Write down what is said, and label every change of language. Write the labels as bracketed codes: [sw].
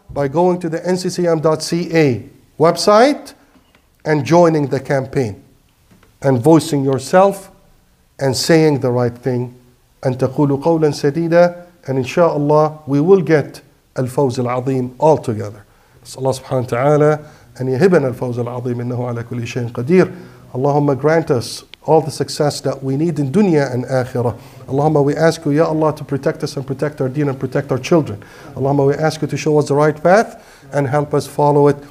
[en] By going to the nccm.ca website and joining the campaign and voicing yourself and saying the right thing. [ar] أن تقولوا قولا سديدا, [en] and inshallah we will get الفوز العظيم all together. [ar] نسأل الله سبحانه وتعالى أن يهبنا الفوز العظيم إنه على كل شيء قدير. [en] اللهم grant us all the success that we need in dunya and akhirah. Allahumma, we ask you, Ya Allah, to protect us and protect our deen and protect our children. Allahumma, we ask you to show us the right path and help us follow it.